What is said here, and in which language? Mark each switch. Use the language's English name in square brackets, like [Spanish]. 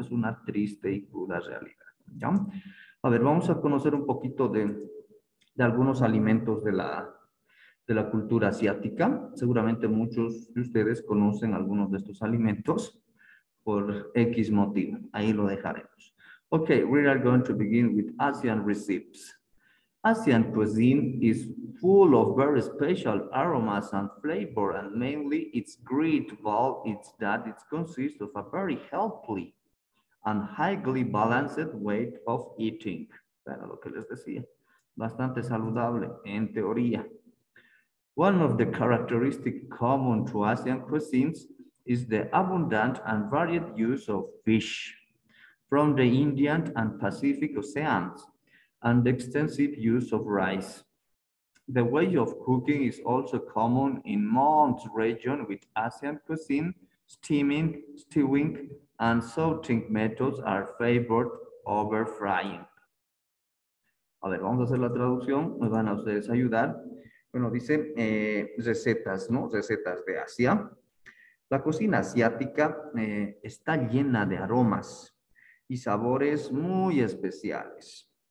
[Spanish] Es una triste y cruda realidad, ¿ya? A ver, vamos a conocer un poquito de algunos alimentos de la cultura asiática. Seguramente muchos de ustedes conocen algunos de estos alimentos por X motivo. Ahí lo dejaremos. [English] Ok, we are going to begin with Asian recipes. Asian cuisine is full of very special aromas and flavor, and mainly its great bulk is that it consists of a very healthy and highly balanced way of eating. [Spanish] Era lo que les decía. Bastante saludable, en teoría. [English] One of the characteristics common to Asian cuisines is the abundant and varied use of fish from the Indian and Pacific Oceans, and extensive use of rice. The way of cooking is also common in Mount region with Asian cuisine. Steaming, stewing, and sauteing methods are favored over frying. [Spanish] A ver, vamos a hacer la traducción, nos van a ustedes ayudar. Bueno, dice recetas, ¿no? Recetas de Asia. La cocina asiática está llena de aromas y sabores muy especiales.